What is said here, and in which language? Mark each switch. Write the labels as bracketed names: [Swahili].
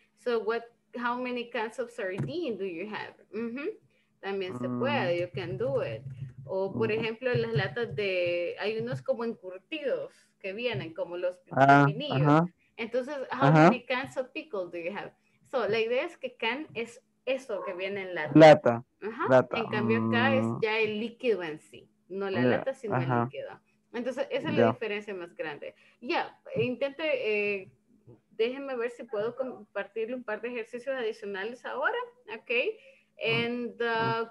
[English] So, how many cans of sardine do you have? Mm-hmm. [Spanish] También se puede, [English] you can do it. [Spanish] O, por ejemplo, las latas de, hay unos como encurtidos que vienen, como los pepinillos. [English] Entonces, how many cans of pickle do you have? [Spanish] So, la idea es que can es eso que viene en lata. Lata. Lata. En cambio, acá es ya el líquido en sí. No la lata, sino el líquido. Entonces, esa es la diferencia más grande. Intente, déjenme ver si puedo compartirle un par de ejercicios adicionales ahora, ¿ok?